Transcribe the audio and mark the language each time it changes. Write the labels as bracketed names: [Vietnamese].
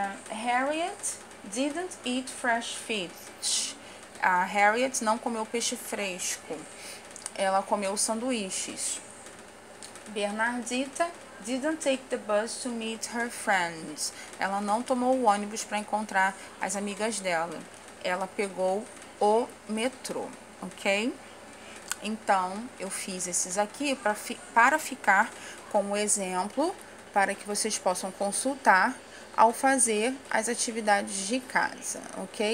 [English] Harriet didn't eat fresh fish. [Portuguese] A Harriet não comeu peixe fresco. Ela comeu sanduíches. [English] Bernardita didn't take the bus to meet her friends. [Portuguese] Ela não tomou o ônibus para encontrar as amigas dela. Ela pegou o metrô, ok? Então, eu fiz esses aqui para ficar como exemplo, para que vocês possam consultar ao fazer as atividades de casa, ok?